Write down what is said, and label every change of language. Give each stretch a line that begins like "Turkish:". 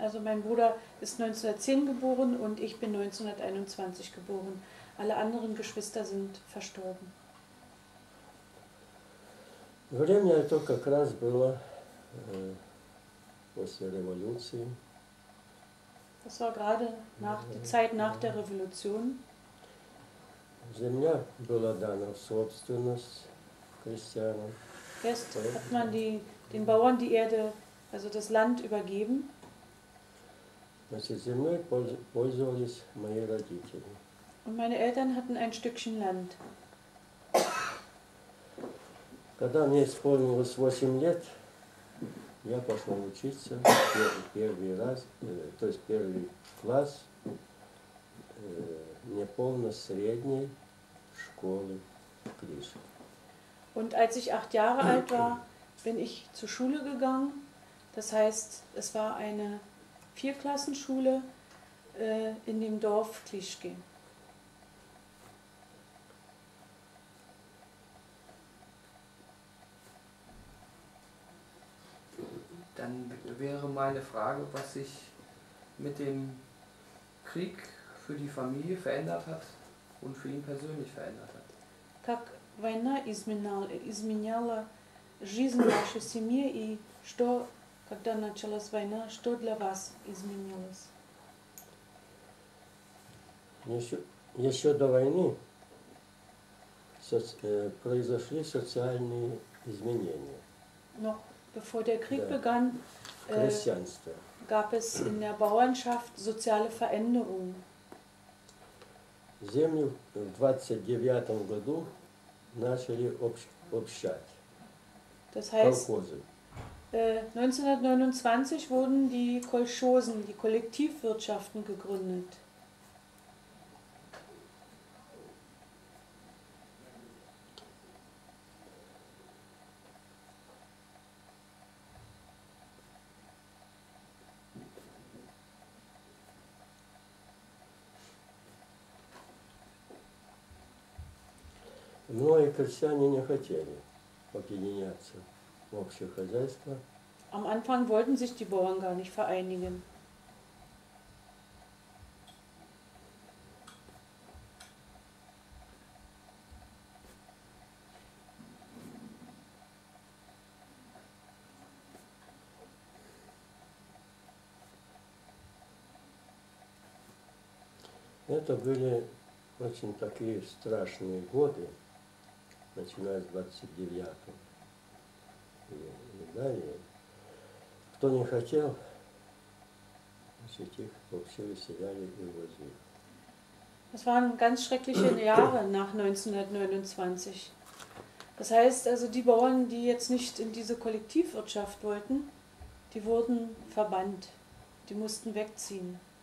German: Also mein Bruder ist 1910 geboren und ich bin 1921 geboren. Alle anderen Geschwister sind verstorben.
Russian: Время это как раз было после революции.
German: Das war gerade die Zeit nach der Revolution.
Russian: Земля была дана в собственность крестьянам.
German: Erst hat man die, den Bauern die Erde, also das Land, übergeben.
Russian: Значит, землей пользовались мои родители.
German: Und meine Eltern hatten ein Stückchen Land.
Russian: Когда мне исполнилось 8 лет, я пошел учиться первый класс неполной средней школы Криш.
German: Und als ich 8 Jahre alt war, bin ich zur Schule gegangen. Das heißt, es war eine Vierklassenschule in dem Dorf Klischke. Dann wäre meine Frage, was sich mit dem Krieg für die Familie verändert hat und für ihn persönlich verändert hat.
Russian: Как война изменяла жизнь вашей семьи и что, когда началась война, что для вас изменилось? Еще до войны произошли социальные изменения. Но
German: bevor der Krieg begann,
Russian: крестьянство.
German: Gab es in der Bauernschaft soziale Veränderungen.
Russian: Землю в 29 году начали общать.
German: Das heißt,
Russian: колхозы.
German: 1929 wurden die Kolchosen, die Kollektivwirtschaften, gegründet.
Russian: Многие крестьяне не хотели объединяться в общее хозяйство.
German: Am Anfang wollten sich die Bauern gar nicht vereinigen.
Russian: Это были очень такие страшные годы. Начиная с 29-го и далее, кто не хотел, значит, их вообще выселяли и увозили.
German: Das waren ganz schreckliche Jahre nach 1929. Das heißt also, die Bauern, die jetzt nicht in diese Kollektivwirtschaft wollten, die wurden verbannt, die mussten wegziehen.